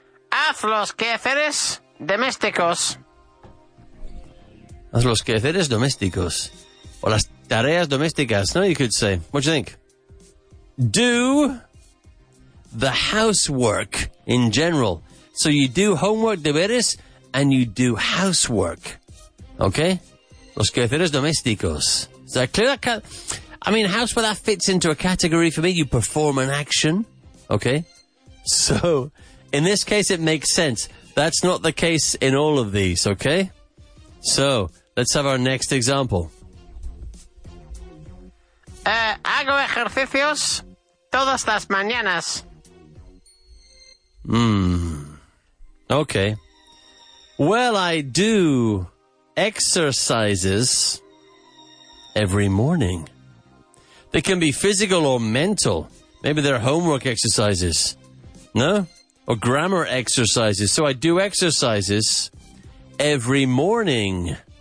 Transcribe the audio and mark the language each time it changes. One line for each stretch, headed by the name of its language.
Spanish: Haz los quehaceres domésticos. Haz los quehaceres domésticos. O las tareas domésticas, no?
English: You could say. What do you think? Do the housework in general. So you do homework deberes and you do housework. Okay?
Spanish: Los quehaceres domésticos.
English: Is that clear? I mean, housework, that fits into a category for me. You perform an action. Okay? So, in this case, it makes sense. That's not the case in all of these, okay? So, let's have our next example.
Spanish: Hago ejercicios todas las mañanas.
English: Okay. Well, I do exercises every morning. They can be physical or mental. Maybe they're homework exercises. No? Or grammar exercises. So I do exercises every morning.